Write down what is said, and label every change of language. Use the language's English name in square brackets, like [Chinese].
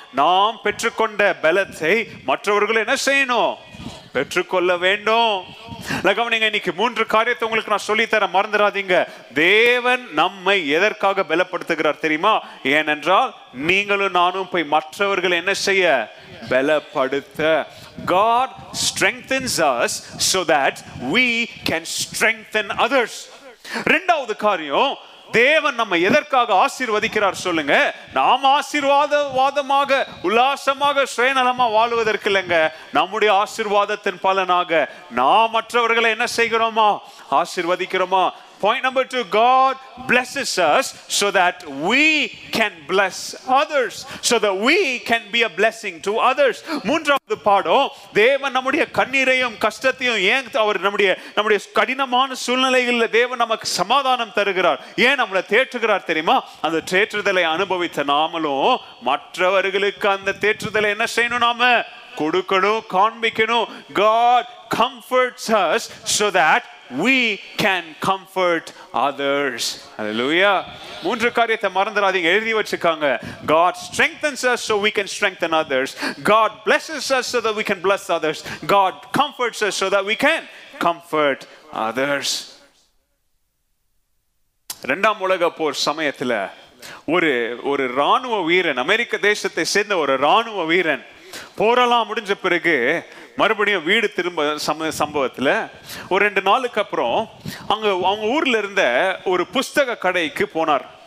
[Tamil] நாம் பெற்றுக்கொண்ட பலத்தை மற்றவர்கள் என்ன செய்யணும்? பெற்றுக்கொள்ள வேண்டும். லகவனிங்க, இன்னைக்கு மூன்று காரியத்தை உங்களுக்கு நான் சொல்லித்தர மறந்துடாதீங்க. தேவன் நம்மை எதற்காக பலப்படுத்துகிறார் தெரியுமா? ஏனென்றால் நீங்களும் நானும் போய் மற்றவர்கள் என்ன செய்ய? பலப்படுத்த. [English] God strengthens us so that we can strengthen others. [Tamil] இரண்டாவது காரியம், தேவன் நம்மை எதற்காக ஆசீர்வதிக்கிறார் சொல்லுங்க? நாம் ஆசீர்வாதமாக உல்லாசமாக சுயநலமா வாழ்வதற்கு இல்லைங்க, நம்முடைய ஆசீர்வாதத்தின் பலனாக நாம் மற்றவர்களை என்ன செய்கிறோமா? ஆசீர்வதிக்கிறோமா? [English] Point number 2, God blesses us so that we can bless others, so that we can be a blessing to others. [Tamil] மூன்றாவது பாடம், தேவன் நம்முடைய கண்ணீரையும் கஷ்டத்தையும் ஏன் அவர் நம்முடைய கடினமான சூழ்நிலைகளில் தேவன் நமக்கு சமாதானம் தருகிறார், ஏன் நம்மளை தேற்றுகிறார் தெரியுமா? அந்த தேற்றுதலை அனுபவித்த நாமளும் மற்றவர்களுக்கு அந்த தேற்றுதலை என்ன செய்யணும்? நாம கொடுக்கணும், காண்பிக்கணும். [English] God comforts us so that we can comfort others. Hallelujah. [Tamil] மூன்று காரியத்தை மறந்துடாதீங்க, எழுதி வச்சுக்காங்க. [English] God strengthens us so we can strengthen others. God blesses us so that we can bless others. God comforts us so that we can comfort others. [Tamil] இரண்டாம் உலக போர் சமயத்துல ஒரு ராணுவ வீரன், அமெரிக்க தேசத்தை சேர்ந்த ஒரு ராணுவ வீரன், போரெல்லாம் முடிஞ்ச பிறகு மறுபடியும் வீடு திரும்ப சம்பவத்தில் ஒரு ரெண்டு நாளுக்கு அப்புறம் அங்கே அவங்க ஊரில் இருந்த ஒரு புஸ்தக கடைக்கு போனார்.